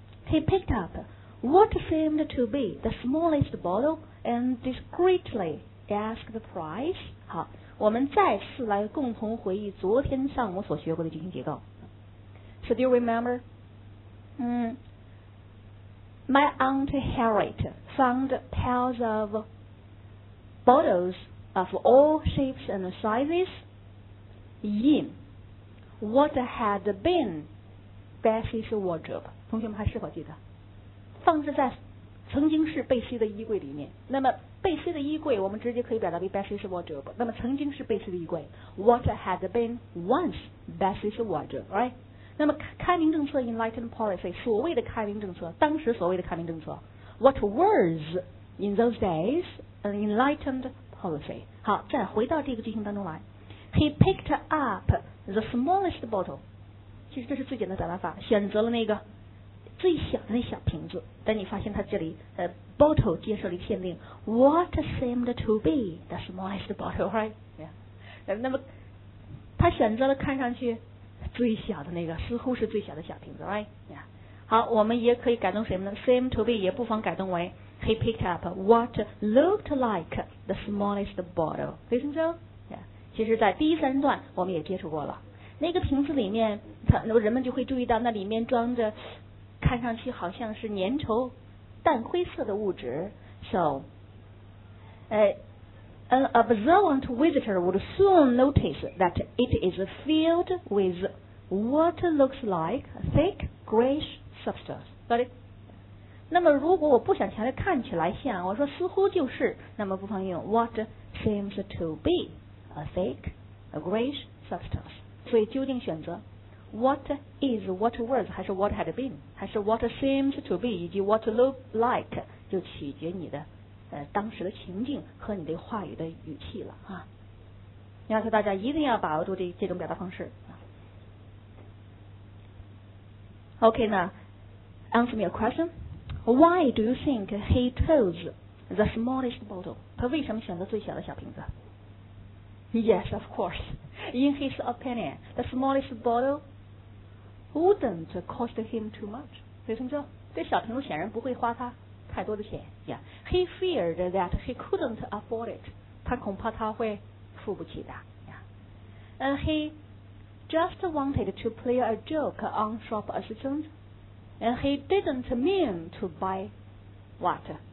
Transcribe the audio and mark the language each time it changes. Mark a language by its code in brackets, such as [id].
[en] He picked up what seemed to be the smallest bottle and discreetly asked the price。 [zh] 好。我们再次来共同回忆昨天上午所学过的句型结构。 [en] So do you remember? My aunt Harriet found piles of bottles of all shapes and sizes in what had been Bessie's wardrobe. [zh] 同学们还是否记得？放置在曾经是贝西的衣柜里面。那么贝西的衣柜我们直接可以表达为 Bessie's wardrobe。那么曾经是贝西的衣柜 [en] What had been once Bessie's wardrobe, right? [zh] 那么开明政策 [en] Enlightened policy [zh] 所谓的开明政策，当时所谓的开明政策 [en] What was in those days an enlightened policy? [zh] 好，再回到这个句型当中来。 [en] He picked up the smallest bottle. [zh] 其实这是最简单的表达法，选择了那个最小的那小瓶子，但你发现它这里bottle 接受了一限定 [en] ，what seemed to be the smallest bottle, right? [zh] Yeah. 那么他选择了看上去最小的那个，似乎是最小的小瓶子 ， [en] right? Yeah. [zh] 好，我们也可以改动什么呢？ [en] Seem to be [zh] 也不妨改动为 [en] He picked up what looked like the smallest bottle. Isn't so? Yeah. [zh] 其实在第三段我们也接触过了，那个瓶子里面人们就会注意到那里面装着看上去好像是粘稠淡灰色的物质。 [en] So an observant visitor would soon notice that it is filled with what looks like a thick grayish substance. Got it? [zh] 那么如果我不想强调看起来像，我说似乎就是，那么不妨用 [en] what seems to be a thick a grayish substance. [zh] 所以究竟选择What is, what was, 还是 what had been, 还是 what seems to be, 以及 what look like, 就取决你的当时的情境和你的话语的语气了啊。要求大家一定要把握住这种表达方式。 [en] OK, now, answer me a question. Why do you think he chose the smallest bottle? [zh] 他为什么选择最小的小瓶子？ [en] Yes, of course. In his opinion, the smallest bottle,wouldn't cost him too much. [zh] 为什么说这小瓶子显然不会花他太多的钱 [en] Yeah, he feared that he couldn't afford it. [zh] 他恐怕他会付不起的 [en] Yeah. And he just wanted to play a joke on shop assistants. And he didn't mean to buy what?